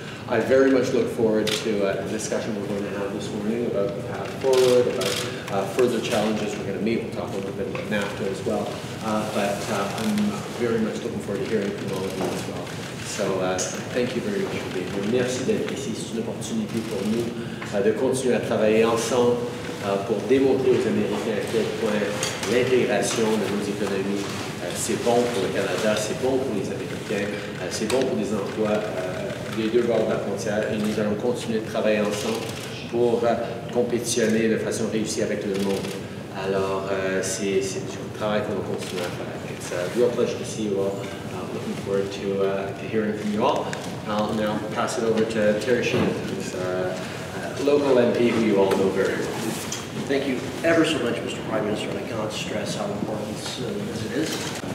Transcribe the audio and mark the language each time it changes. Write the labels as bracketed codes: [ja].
[en] I very much look forward to the discussion we're going to have this morning about the path forward, about further challenges we're going to meet. We'll talk a little bit about NAFTA as well, but I'm very much looking forward to hearing from all of you as well. So thank you very much for being here. [fr] Merci d'être ici. C'est une opportunité pour nous de continuer à travailler ensemble pour démontrer aux Américains à quel point l'intégration de nos économies, c'est bon pour le Canada, c'est bon pour les Américains, c'est bon pour les emplois des deux bords de la frontière. Et nous allons continuer de travailler ensemble pour compétitionner de façon réussie avec le monde. Alors, c'est un travail qu'on va continuer à faire. [en] It's a real pleasure to see you all. Looking forward to hearing from you all. I'll now pass it over to Terry Sheehan, who's a local MP who you all know very well. Thank you ever so much, Mr. Prime Minister, and I cannot stress how important this is.